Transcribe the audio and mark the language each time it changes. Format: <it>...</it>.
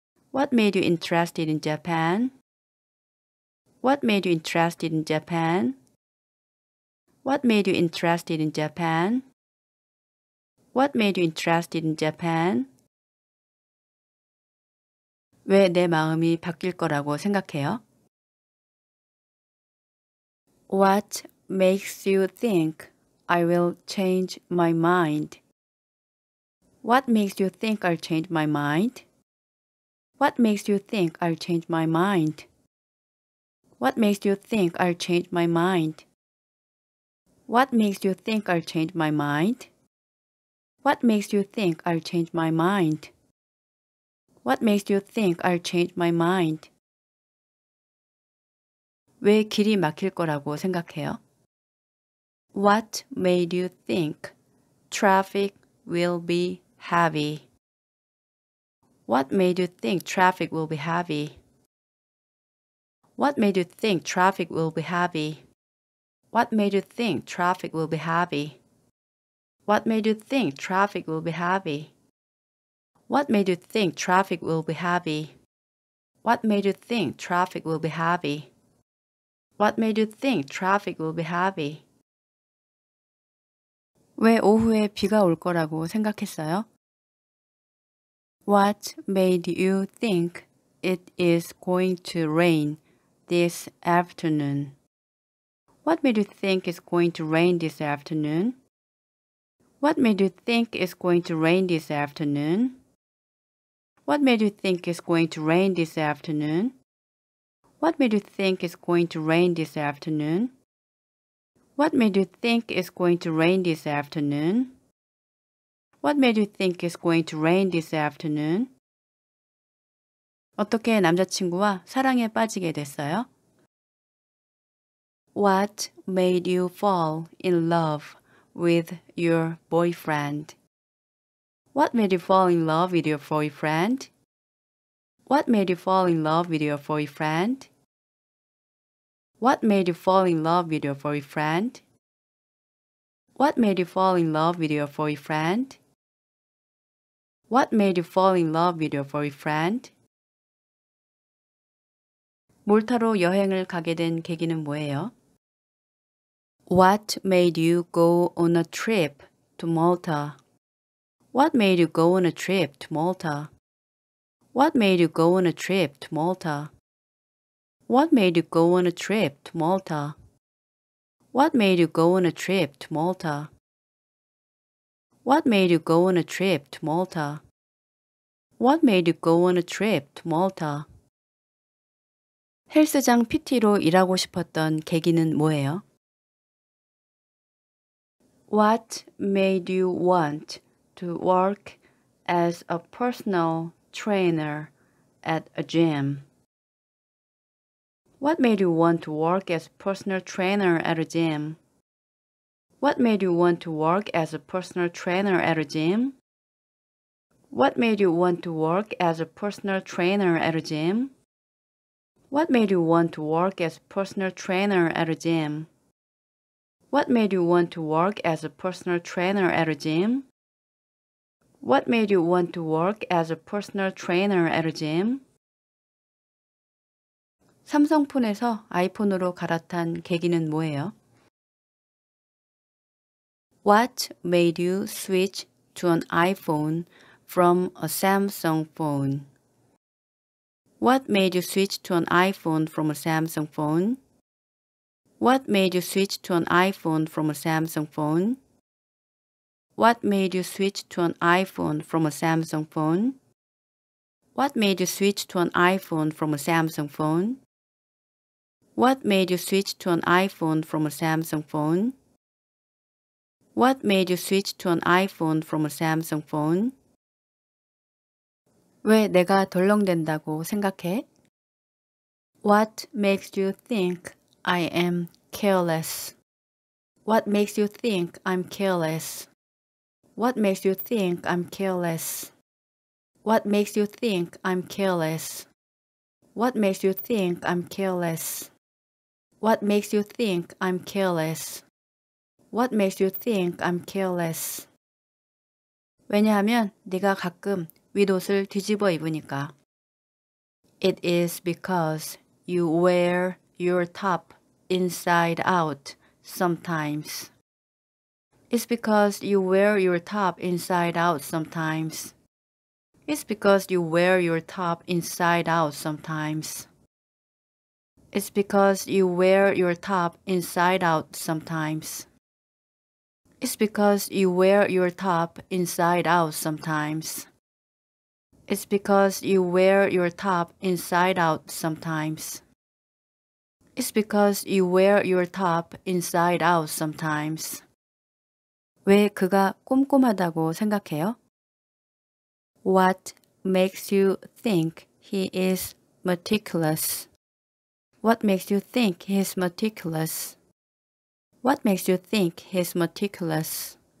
<en>What made you interested in Japan? What made you interested in Japan? What made you interested in Japan? What made you interested in Japan?</en> <ko>왜 내 마음이 바뀔 거라고 생각해요?</ko> <en>What makes you think I will change my mind? What makes you think I'll change my mind? What makes you think I'll change my mind? What makes you think I'll change my mind? What makes you think I'll change my mind? What makes you think I'll change my mind? What makes you think I'll change my mind?</en> <ko>왜 길이 막힐 거라고 생각해요?</ko> <en>What made you think traffic will be heavy? What made you think traffic will be heavy? What made you think traffic will be heavy? What made you think traffic will be heavy? What made you think traffic will be heavy? What made you think traffic will be heavy? What made you think traffic will be heavy? What made you think traffic will be heavy?</en> <ko>왜 오후에 비가 올 거라고 생각했어요?</ko> <en>What made you think it is going to rain this afternoon? What made you think it's going to rain this afternoon? What made you think it's going to rain this afternoon? What made you think it's going to rain this afternoon? What made you think it's going to rain this afternoon? What made you think it's going to rain this afternoon? What made you think it's going to rain this afternoon?</en> <ko>어떻게 남자친구와 사랑에 빠지게 됐어요?</ko> <en>What made you fall in love with your boyfriend? What made you fall in love with your boyfriend? What made you fall in love with your boyfriend? What made you fall in love with your boyfriend? What made you fall in love with your boyfriend? What made you fall in love with your boyfriend?</en> <ko>몰타로 여행을 가게 된 계기는 뭐예요?</ko> <en>What made you go on a trip to Malta? What made you go on a trip to Malta? What made you go on a trip to Malta? What made you go on a trip to Malta? What made you go on a trip to Malta? What made you go on a trip to Malta? What made you go on a trip to Malta?</en> <ko>헬스장 PT로 일하고 싶었던 계기는 뭐예요?</ko> <en>What made you want to work as a personal trainer at a gym? What made you want to work as a personal trainer at a gym? What made you want to work as a personal trainer at a gym? What made you want to work as a personal trainer at a gym? What made you want to work as a personal trainer at a gym? What made you want to work as a personal trainer at a gym? What made you want to work as a personal trainer at a gym?</en> <ko>삼성폰에서 아이폰으로 갈아탄 계기는 뭐예요?</ko> <en>What made you switch to an iPhone from a Samsung phone? What made you switch to an iPhone from a Samsung phone? What made you switch to an iPhone from a Samsung phone? What made you switch to an iPhone from a Samsung phone? What made you switch to an iPhone from a Samsung phone? What made you switch to an iPhone from a Samsung phone? What made you switch to an iPhone from a Samsung phone?</en> <ko>왜 내가 덜렁댄다고 생각해?</ko> <en>What makes you think I am careless? What makes you think I'm careless? What makes you think I'm careless? What makes you think I'm careless? What makes you think I'm careless? What makes you think I'm careless? What makes you think I'm careless?</en> <ko>왜냐하면 네가 가끔 윗옷을 뒤집어 입으니까.</ko> <en>It is because you wear your top inside out sometimes. It's because you wear your top inside out sometimes. It's because you wear your top inside out sometimes. It's because you wear your top inside out sometimes. It's because you wear your top inside out sometimes. It's because you wear your top inside out sometimes. It's because you wear your top inside out sometimes.</en> <ko>왜 그가 꼼꼼하다고 생각해요?</ko> <en>What makes you think he is meticulous? What makes you think he is meticulous? What makes you think he's meticulous?</en>